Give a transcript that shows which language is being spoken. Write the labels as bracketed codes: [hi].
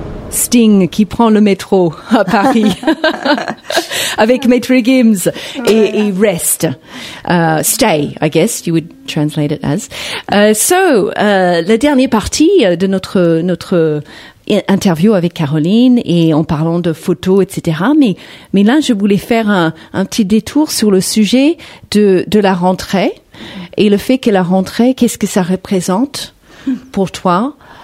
[fr] Sting qui prend le métro à Paris avec Maître Gims et, et Rest. [en] Stay, I guess you would translate it as. [fr] La dernière partie de notre interview avec Caroline et en parlant de photos, etc. Mais là, je voulais faire un petit détour sur le sujet de la rentrée et le fait que la rentrée, qu'est-ce que ça représente pour toi?